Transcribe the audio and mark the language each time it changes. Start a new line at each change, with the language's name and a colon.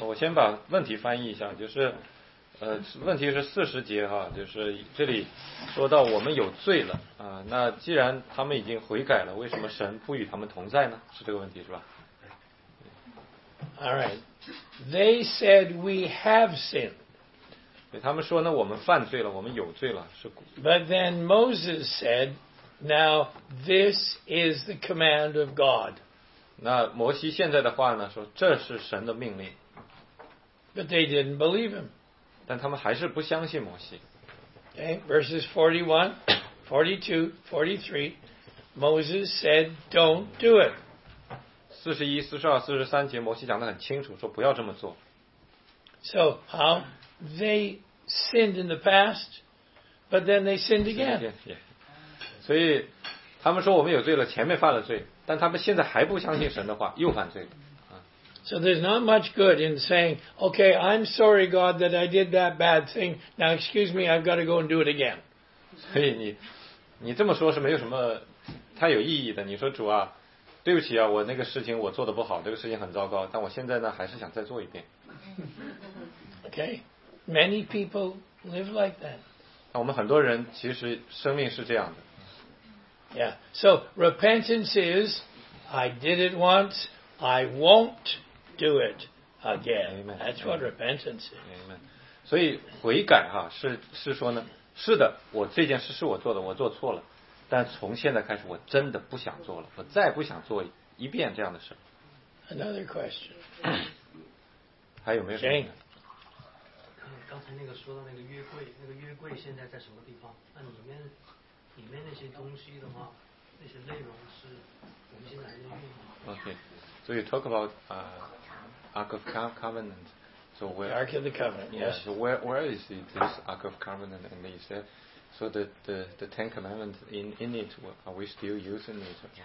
Chinese: 我先把问题翻译一下，就是，问题是四十节哈，就是这里说到我们有罪了啊，那既然他们已经悔改了，为什么神不与他们同在呢？是这个问题是吧？
English: All right. They said we have sinned.
Chinese: 他们说呢，我们犯罪了，我们有罪了，是。
English: But then Moses said, "Now this is the command of God."
Chinese: 那摩西现在的话呢，说这是神的命令。
English: But they didn't believe him.
Chinese: 但他们还是不相信摩西。
English: Okay, verses 41, 42, 43, Moses said, "Don't do it."
Chinese: 41, 42, 43节，摩西讲得很清楚，说不要这么做。
English: So how? They sinned in the past, but then they sinned again. So, they said we have sinned in the past, but they sinned again. But now they don't believe God. So there's not much good in saying, "Okay, I'm sorry, God, that I did that bad thing. Now, excuse me, I've got to go and do it again." So you this say is not much meaningful. You say, "Lord, I'm sorry, I did that bad thing. That thing I did was bad. That thing was very bad. But now I still want to do it again." Okay. Many people live like that.
Chinese: 我们很多人其实生命是这样的。
English: Yeah. So repentance is, I did it once, I won't do it again. Amen. That's what repentance is. Amen.
Chinese: 所以悔改哈、啊、是说呢，是的，我这件事是我做的，我做错了，但从现在开始，我真的不想做了，我再不想做一遍这样的事。
English: Another question.
Chinese: 还有没有什么呢？刚才那个说到那个约柜，那个约柜现在在什么地方？那里面那些东西的话，那些内容是我们现在还在运吗
English: ？Okay, so you talk about Ark of Covenant. So where Ark of the Covenant? Yes. So where is it, this Ark of Covenant? And he said, so the Ten Commandments in it, are we still using it?